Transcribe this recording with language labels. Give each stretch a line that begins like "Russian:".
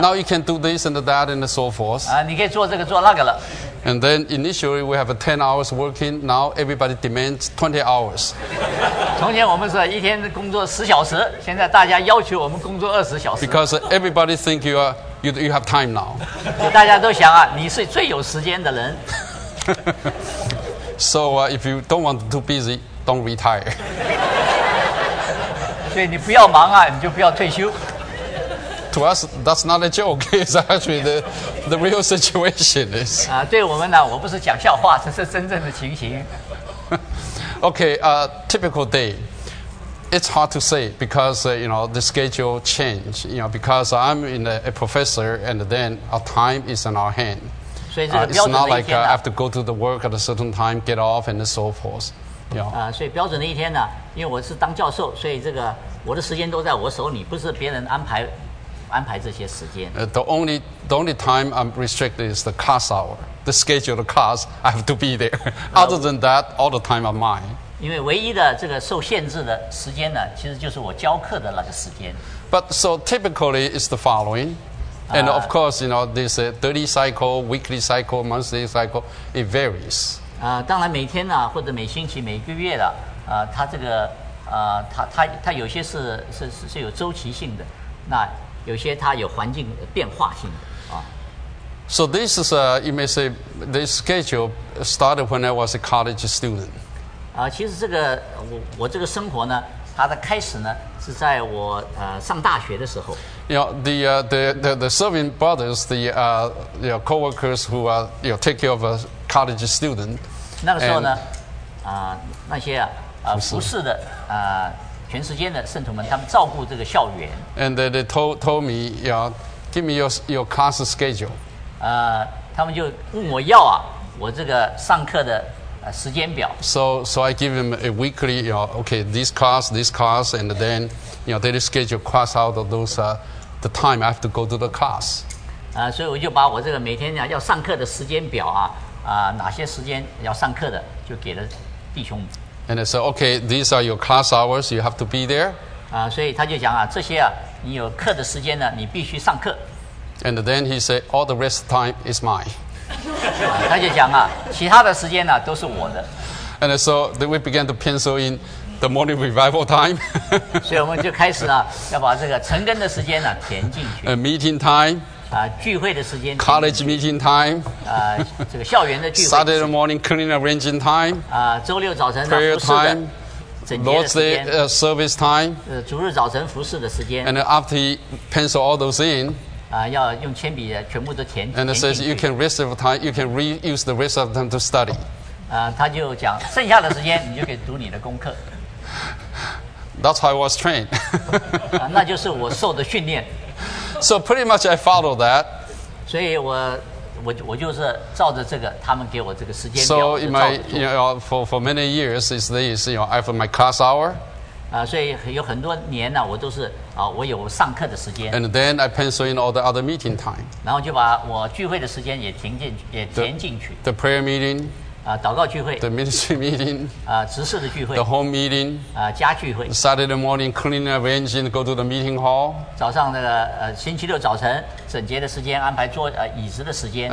English: Now you can do this and that and so forth.
Chinese: 你可以做这个做那个了。
English: And then initially we have 10 hours working. Now everybody demands 20 hours.
Chinese: 从前我们是一天工作10小时，现在大家要求我们工作20小时。
English: Because everybody think you have time now.
Chinese: 大家都想你是最有时间的人。
English: So if you don't want too busy, don't retire.
Chinese: 对你不要忙你就不要退休。
English: To us, that's not a joke. It's actually the real situation is.
Chinese: 对我们呢，我不是讲笑话，这是真正的情形。
English: Okay, typical day. It's hard to say because you know the schedule change. You know because I'm in a professor, and then our time is in our hand.
Chinese: 所以这个标准的一天呢。
English: It's not like I have to go to the work at a certain time, get off, and so forth.
Chinese: 所以标准的一天呢，因为我是当教授，所以这个我的时间都在我手里，不是别人安排这些时间。
English: The only time I'm restricted is the class hour, the scheduled class. I have to be there. Other than that, all the time are mine.
Chinese: 因为唯一的这个受限制的时间呢，其实就是我教课的那个时间。
English: But so typically it's the following. And of course, you know, this daily cycle, weekly cycle, monthly cycle, it varies.
Chinese: 当然每天呢、或者每星期、每个月的，它这个，它有些是有周期性的，那有些它有环境变化性的。
English: So this is, you may say, this schedule started when I was a college student.
Chinese: 其实这个我这个生活呢，它的开始呢是在我上大学的时候。
English: you know, the serving brothers, the you know, co-workers who are, you know, take care of a college student.
Chinese: 那个时候呢，那些啊，服侍的啊，全时间的圣徒们，他们照顾这个校园。
English: And they told me, you know, give me your class schedule.
Chinese: 他们就问我要啊，我这个上课的时间表。
English: So I give them a weekly, you know, okay, this class, and then, you know, they schedule class out of those the time I have to go to the class.
Chinese: 所以我就把我这个每天要上课的时间表啊。哪些时间要上课的就给了弟兄。
English: And I said, okay, these are your class hours, you have to be there.
Chinese: 所以他就讲啊，这些啊，你有课的时间呢，你必须上课。
English: And then he said, all the rest of the time is mine.
Chinese: 他就讲啊，其他的时间呢，都是我的。
English: And so we began to pencil in the morning revival time.
Chinese: 所以我们就开始啊，要把这个晨更的时间呢填进去。
English: A meeting time.
Chinese: 聚会的时间
English: ，college meeting time，
Chinese: 这个校园的聚会
English: ，Saturday morning clean arranging time，
Chinese: 周六早晨的
English: prayer time，
Chinese: 整洁的时间
English: ，Lord's day service time，
Chinese: 主日早晨服侍的时间
English: ，and after he pencil all those in，
Chinese: 要用铅笔全部都填
English: ，and says you can rest of time， you can reuse the rest of time to study，
Chinese: 他就讲剩下的时间你就可以读你的功课
English: ，That's how I was trained，
Chinese: 那就是我受的训练。
English: So pretty much I follow that.
Chinese: 所以我就是照着这个他们给我这个时间表。
English: So in my, you know, for many years is this, you know, I have my class hour.
Chinese: 所以有很多年呢，我都是我有上课的时间。
English: And then I pencil in all the other meeting time.
Chinese: 然后就把我聚会的时间也填进去，
English: The prayer meeting.
Chinese: 祷告聚会。
English: The ministry meeting.
Chinese: 执事的聚会。
English: The home meeting.
Chinese: 家聚会。
English: Saturday morning, clean and arrange and go to the meeting hall.
Chinese: 早上那个星期六早晨整洁的时间，安排坐椅子的时间。